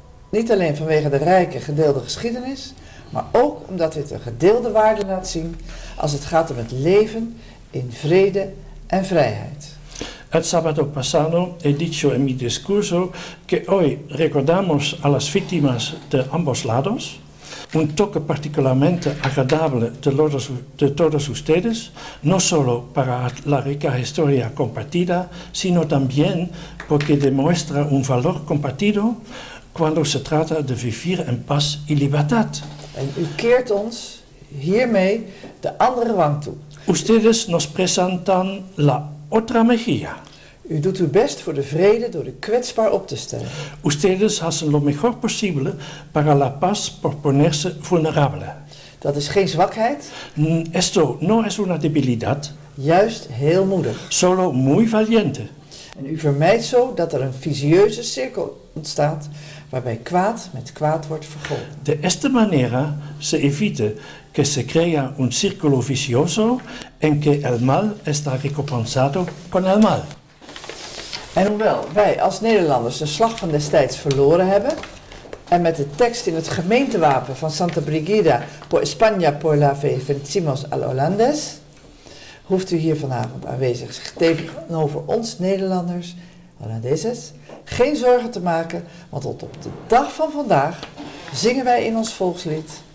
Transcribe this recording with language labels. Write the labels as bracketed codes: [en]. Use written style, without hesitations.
[nl] Niet alleen vanwege de rijke gedeelde geschiedenis, maar ook omdat dit een gedeelde waarde laat zien als het gaat om het leven in vrede en vrijheid. [es] El sábado pasado he dicho en mi discurso que hoy recordamos a las víctimas de ambos lados, un toque particularmente agradable de todos ustedes, no solo para la rica historia compartida, sino también porque demuestra un valor compartido cuando se trata de vivir en paz y libertad. [nl] En u keert ons hiermee de andere wang toe. [es] Ustedes nos presentan la otra mejilla. [nl] U doet uw best voor de vrede door de kwetsbaar op te stellen. [es] Ustedes hacen lo mejor posible para la paz por ponerse vulnerable. [nl] Dat is geen zwakheid. [es] Esto no es una debilidad. [nl] Juist heel moedig. [es] Solo muy valiente. [nl] En u vermijdt zo dat er een vicieuze cirkel ontstaat waarbij kwaad met kwaad wordt vergolden. [es] De esta manera se evita que se crea un círculo vicioso en que el mal está recompensado con el mal. [nl] En hoewel wij als Nederlanders de slag van destijds verloren hebben en met de tekst in het gemeentewapen van Santa Brigida [es] por España por la fe vencimos al Holandés, [nl] hoeft u hier vanavond aanwezig tegenover ons Nederlanders, Holandeses, geen zorgen te maken, want tot op de dag van vandaag zingen wij in ons volkslied